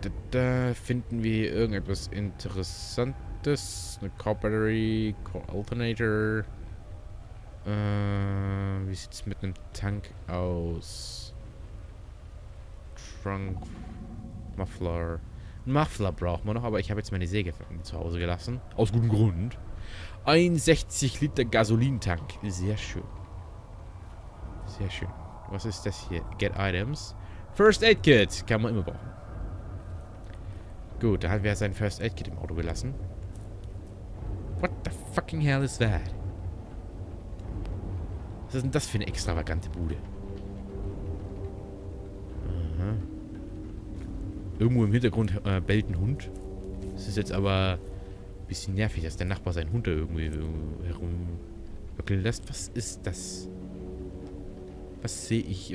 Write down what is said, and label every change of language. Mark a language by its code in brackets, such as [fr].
[de] Da finden wir irgendetwas Interessantes. Eine Co-Battery, Co-Alternator. Wie sieht's mit einem Tank aus? Trunk. Muffler. Ein Muffler brauchen wir noch, aber ich habe jetzt meine Säge zu Hause gelassen. Aus gutem Grund. Ein 60 Liter Gasolintank. Sehr schön. Sehr schön. Was ist das hier? Get Items. First Aid Kit. Kann man immer brauchen. Gut, da hat wer sein First Aid Kit im Auto gelassen. [en] What the fucking hell is that? [de] Was ist denn das für eine extravagante Bude? Aha. Irgendwo im Hintergrund bellt ein Hund. Es ist jetzt aber ein bisschen nervig, dass der Nachbar seinen Hund da irgendwie herumwackeln lässt. Was ist das? Was sehe ich?